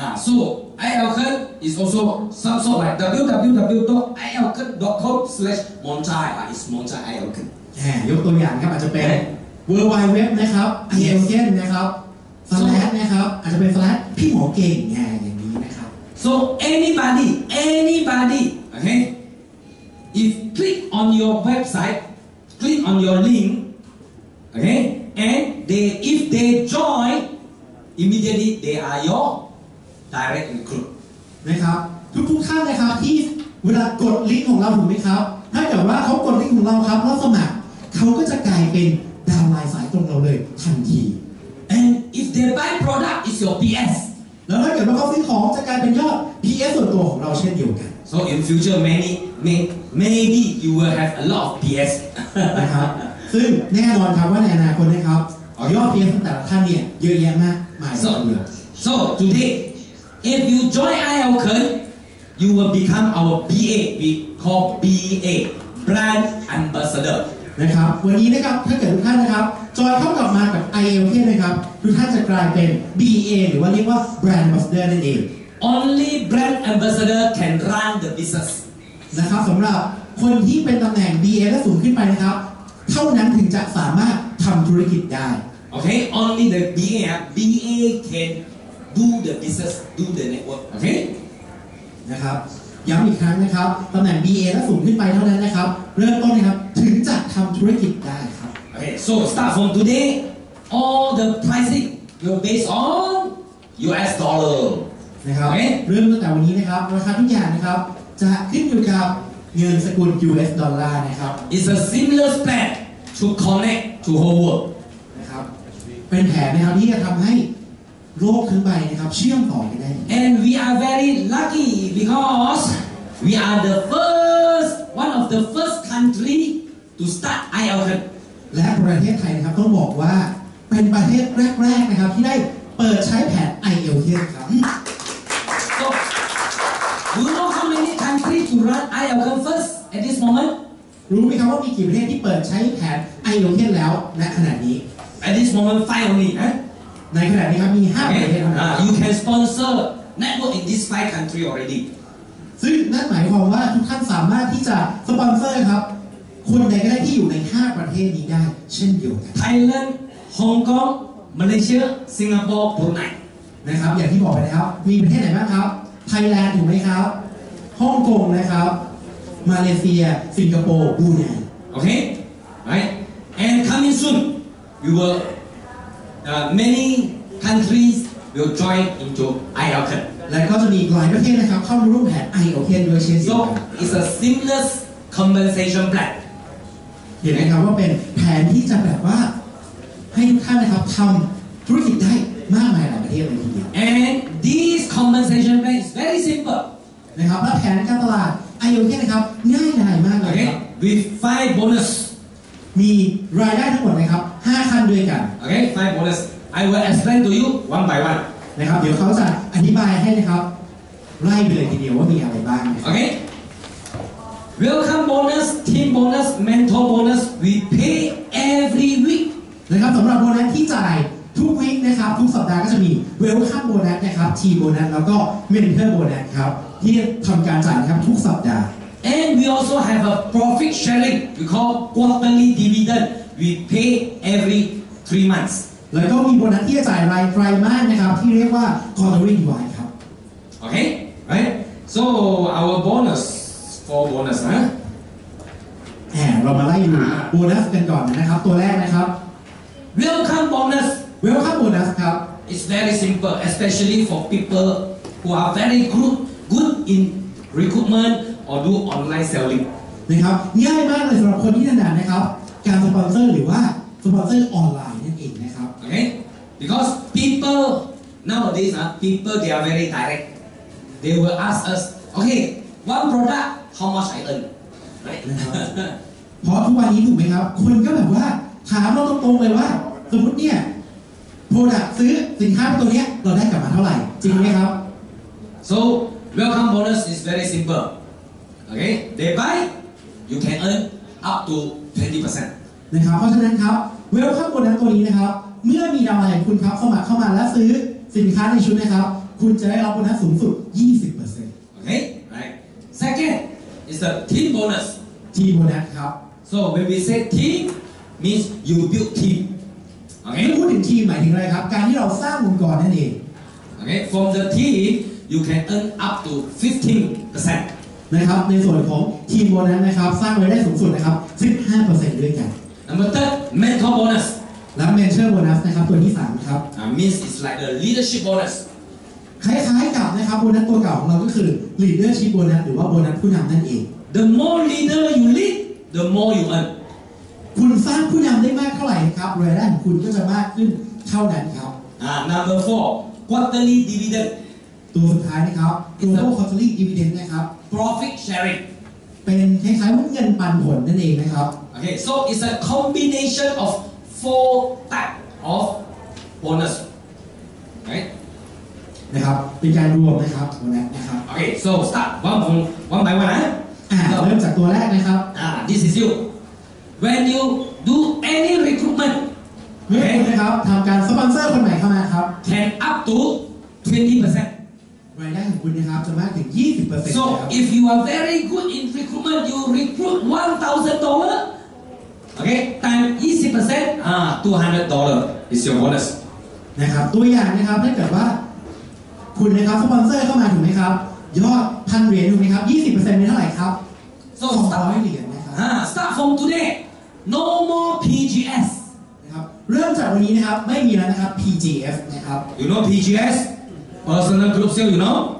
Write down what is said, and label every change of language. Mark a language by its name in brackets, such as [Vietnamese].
[English] so ielken is also some sort like www.ielken.com/monchai is monchai ielken [Thai] ยกตัวอย่างครับอาจจะเป็น world wide web นะครับ ielken นะครับ flat นะครับอาจจะเป็น flat พี่หมอเก่งอย่างนี้นะครับ [English] so anybody okay if click on your website click on your link okay and if they join immediately they are yourdirect recruit [Thai] นะครับทุกท่านนะครับที่เวลากดลิงก์ของเราถูกมั้ยครับถ้าเกิดว่าเขากดลิงก์ของเราครับแล้วสมัครเขาก็จะกลายเป็นดาวไลน์สายตรงเราเลยทันที [English] and if they buy product is your PS [Thai] แล้วถ้าเกิดว่าเขาซื้อของจะกลายเป็นยอด PS ส่วนตัวของเราเช่นเดียวกัน [English] so in future maybe you will have a lot of PS [Thai] นะครับซึ่งแน่นอนครับว่าในอนาคตนะครับยอด PS ของแต่ละท่านเนี่ยเยอะแยะมากมาย เลย [English] so todayIf you join IELTS, you will become our BA. We call BA Brand Ambassador. [Thai] นะครับวันนี้นะครับถ้าเกิดทุกท่านนะครับจอยเข้ากลับมากับ IELTS นะครับทุกท่านจะกลายเป็น BA หรือว่าเรียกว่า Brand Ambassador นั่นเอง [English] Only Brand Ambassador can run the business. [Thai] นะครับสำหรับคนที่เป็นตำแหน่ง BA และสูงขึ้นไปนะครับเท่านั้นถึงจะสามารถทำธุรกิจได้ [English] Okay, only the BA can. Do the business, do the network, okay? [Thai] นะครับย้ำอีกครั้งนะครับตำแหน่ง BA แล้วสูงขึ้นไปเท่านั้นนะครับเริ่มต้นนะครับถึงจะทำธุรกิจได้ครับ [English] Okay, so start from today. All the pricing will based on US dollar. [Thai] นะครับ okay? เริ่มตั้งแต่วันนี้นะครับราคาทุกอย่างนะครับจะขึ้นอยู่กับเงินสกุล US dollar นะครับ [English] It's a similar plan to connect to whole world. [Thai] นะครับเป็นแผนนะครับที่จะทำให้โลกทั้งใบนะครับเชื่อมต่อกันได้ [English] and we are very lucky because we are the first one of the first country to start IELTS [Thai] และประเทศไทยนะครับต้องบอกว่าเป็นประเทศแรกๆนะครับที่ได้เปิดใช้แผน IELTS ครับ [English] so do you know how many countries to run IELTS first at this moment [Thai] รู้ไหมครับว่ามีกี่ประเทศที่เปิดใช้แผน IELTS แล้วณขณะนี้ [English] at this moment five only huh? [Thai] ในขณะนี้ครับมี5ประเทศครับ [English] You can sponsor network in this 5 country already [Thai] ซึ่งนั่นหมายความว่าทุกท่านสามารถที่จะสปอนเซอร์ครับคนใดก็ได้ที่อยู่ใน5ประเทศนี้ได้เช่นเดียวกั น [English] Thailand Hong Kong Malaysia Singapore Brunei [Thai] นะครับอย่างที่บอกไปนะครับมีประเทศไหนบ้างครับ Thailand ถูกไหมครับ Hong Kong นะครับ Malaysia Singapore Brunei [English] okay right and coming soon you willmany countries will join into IELTS [Thai] และก็จะมีหลายประเทศนะครับเข้าร่วมแผน IELTS ด้วยเช่นกัน [English] so it's a seamless compensation plan [Thai] เห็นไหมครับว่าเป็นแผนที่จะแบบว่าให้ทุกท่านนะครับทำธุรกิจได้มากมายหลายประเทศเลยทีเดียว [English] and this compensation plan is very simple [Thai] นะครับและแผนการตลาด IELTS นะครับง่ายดายมากเลยครับ [English] with 5 bonus [Thai] มีรายได้ทั้งหมดนะครับ5ขั้นด้วยกัน [English] โอเค5 bonus I will explain to you one by one [Thai] นะครับเดี๋ยวเขาจะอธิบายให้นะครับไล่ไปเลยทีเดียวว่ามีอะไรบ้าง [English] โอเค Welcome bonus team bonus mentor bonus we pay every week [Thai] นะครับสำหรับโบนัสที่จ่ายทุกวีคนะครับทุกสัปดาห์ก็จะมี Welcome bonus นะครับ team bonus แล้วก็ mentor bonus ครับที่ทำการจ่ายครับทุกสัปดาห์ [English] And we also have a profit sharing. We call quarterly dividend. We pay every 3 months. [Thai] แล้วก็มีโบนัสที่จ่ายรายไตรมาสนะครับที่เรียกว่า quarterly dividend ครับ [English] Okay, right? So our bonus for bonus, huh? [Thai] เรามาไล่ดูโบนัสกันก่อนนะครับตัวแรกนะครับ [English] Welcome bonus. Welcome bonus ครับ It's very simple, especially for people who are very good in recruitment. or do online selling [Thai] นะครับง่ายมากเลยสำหรับคนที่ถนัดนะครับการสปอนเซอร์หรือว่าสปอนเซอร์ออนไลน์นั่นเองนะครับ [English] okay because people nowadays people they are very direct they will ask us okay one product how much I earn [Thai] เพราะทุกวันนี้ถูกไหมครับคนก็แบบว่าถามเราตรงๆเลยว่าสมมติเนี่ย product ซื้อสินค้าตัวเนี้ยเราได้กลับมาเท่าไหร่จริงไหมครับ [English] So welcome bonus is very simple okay they buy you can earn up to 20% [Thai] นะครับเพราะฉะนั้นครับ welcome bonus ตัวนี้นะครับเมื่อมีดาวไลน์คุณครับเข้ามาและซื้อสินค้าในชุดนะครับคุณจะได้รับโบนัสสูงสุด 20% [English] okay right second is the team bonus team bonus ครับ so when we say team means you build team okay [Thai] พูดถึงทีมหมายถึงอะไรครับการที่เราสร้างองค์กรนั่นเอง [English] okay from the team you can earn up to 15% [Thai] นะครับในส่วนของทีมโบนัสนะครับสร้างรายได้สูงสุดนะครับ 15% ด้วยกัน [English] number third mentor bonus [Thai] และ mentor bonus นะครับตัวที่3ครับ [English] means it's like a leadership bonus [Thai] คล้ายๆกับนะครับโบนัสตัวเก่าของเราก็คือ leadership bonus หรือว่าโบนัสผู้นำนั่นเอง [English] the more leader you lead the more you earn [Thai] คุณสร้างผู้นำได้มากเท่าไหร่ครับรายได้ของคุณก็จะมากขึ้นเท่านั้นครับ [English] number 4 quarterly dividend [Thai] ตัวสุดท้ายนะครับ quarterly quarterly dividend นะครับ [English] profit sharing [Thai] เป็นคล้ายๆว่าเงินปันผลนั่นเองนะครับ [English] okay so it's a combination ofFour type of bonus, right? [Thai] นะครับเป็นการรวมนะครับโบนัสนะครับ [English] Okay, so start one by one. [Thai] เริ่มจากตัวแรกนะครับ [English] This is you. When you do any recruitment, [Thai] okay, นะครับทำการสปอนเซอร์คนใหม่เข้ามาครับ [English] Can up to 20% [Thai] รายได้ของคุณนะครับจะมากถึง 20% [English] So if you are very good in recruitment, you recruit $1,000. Okay, time 20% $200 is your bonus. [Thai] นะครับตัวอย่างนะครับถ้าเกิดว่าคุณนะครับสปอนเซอร์เข้ามาถูกไหมครับยอด $1,000ถูกไหมครับ 20% เป็นเท่าไหร่ครับ [English] $200 [Thai] นะครับ [English] Start from today, no more PGS. [Thai] นะครับเริ่มจากวันนี้นะครับไม่มีแล้วนะครับ PGS นะครับ [English] You know PGS, personal group sale, you know?